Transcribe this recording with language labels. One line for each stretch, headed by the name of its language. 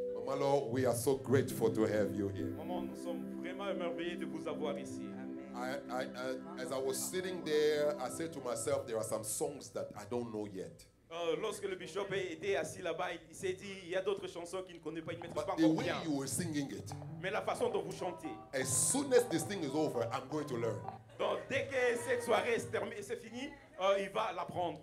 French: Alors,
English: we are so grateful to have you here.
French: Maman, nous sommes vraiment émerveillés de vous avoir ici.
English: As I was sitting there, I said to myself, there are some songs that I don't know yet.
French: Lorsque le bishop était assis là-bas, il s'est dit, il y a d'autres chansons qu'il ne connaît pas, il ne maîtrise pas encore bien.
English: But the way you were singing it.
French: Mais la façon dont vous chantez.
English: As soon as this thing is over, I'm going to learn.
French: Donc dès que cette soirée est terminée, c'est fini, il va l'apprendre.